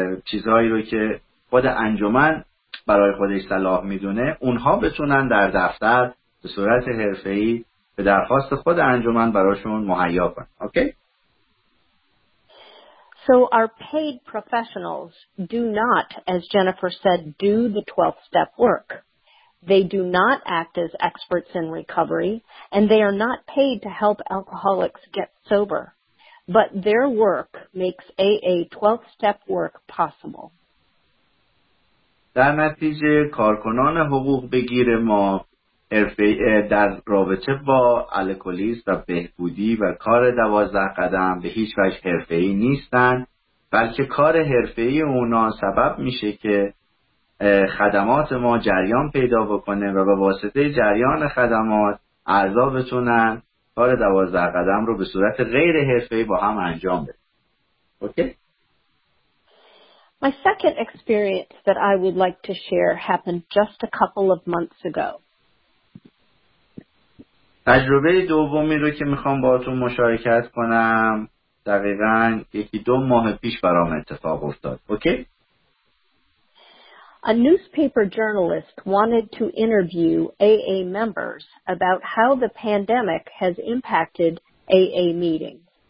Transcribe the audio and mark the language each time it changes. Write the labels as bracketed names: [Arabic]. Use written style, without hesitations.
[Persian] چیزهایی رو که خود انجمن برای خودش صلاح میدونه اونها بتونن در دفتر به صورت حرفه‌ای به درخواست خود انجمن براشون مهیا کنن. اوکی؟ [English] So our paid professionals do not, as Jennifer said, do the 12-step work. They do not act as experts in recovery, and they are not paid to help alcoholics get sober. But their work makes AA 12-step work possible. [Persian] در نتیجه کارکنان حقوق بگیر ما در رابطه با الکلیسم و بهبودی و کار 12 قدم به هیچ وجه حرفه‌ای نیستن، بلکه کار حرفه‌ای اونا سبب میشه که خدمات ما جریان پیدا بکنه و به واسطه جریان خدمات اعضا بتونن با کار 12 قدم رو به صورت غیر حرفه‌ای با هم انجام بده. اوکی؟ [English] My second experience that I would like to share happened just a couple of months ago. [Persian] تجربه دومی رو که میخوام باهاتون مشارکت کنم دقیقاً یکی دو ماه پیش برام اتفاق افتاد. اوکی؟ [English] A newspaper journalist wanted to interview AA members about how the pandemic has impacted AA meetings.